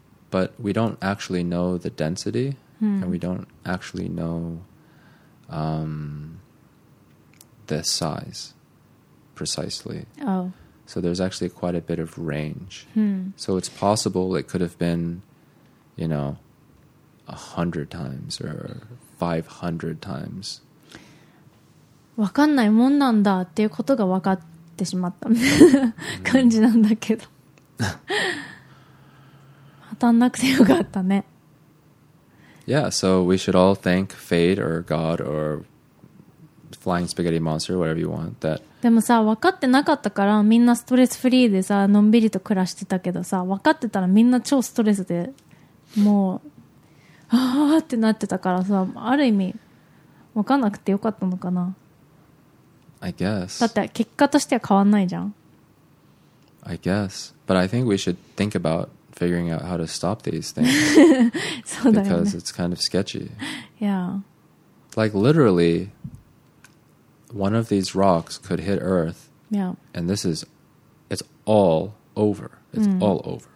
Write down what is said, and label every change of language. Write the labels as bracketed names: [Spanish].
[English] But we don't actually know the density and we don't actually know the size precisely. Oh. So there's actually quite a bit of range. Hmm. So it's possible it could have been, you know, 100 times or 500 times. [Japanese] わかんないもんなんだっていうことがわかってしまった感じなんだけど。 [English] Yeah, so we should all thank fate or God or flying spaghetti monster, whatever you want. That. [Japanese] でもさ、分かってなかったからみんなストレスフリーでさ、のんびりと暮らしてたけどさ、分かってたらみんな超ストレスで、もうあーってなってたからさ、ある意味分かんなくてよかったのかな。 [English] I guess. [Japanese] だって結果としては変わんないじゃん。 [English] I guess, but I think we should think aboutfiguring out how to stop these things [Japanese] そうだよね。 [English] because it's kind of sketchy. Yeah. Like literally, one of these rocks could hit Earth. Yeah. And this is, it's all over. It's all over.